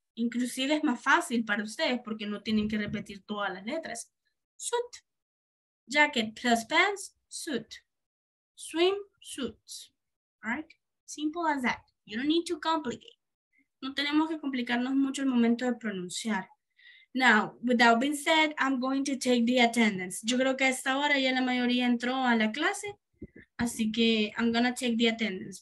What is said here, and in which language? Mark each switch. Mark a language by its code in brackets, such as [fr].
[es] Inclusive es más fácil para ustedes porque no tienen que repetir todas las letras. [en] Suit. Jacket plus pants, suit. Swim, suits, all right? Simple as that. You don't need to complicate. [es] No tenemos que complicarnos mucho el momento de pronunciar. [en] Now, with that being said, I'm going to take the attendance. [es] Yo creo que a esta hora ya la mayoría entró a la clase. Así que [en] I'm going to take the attendance.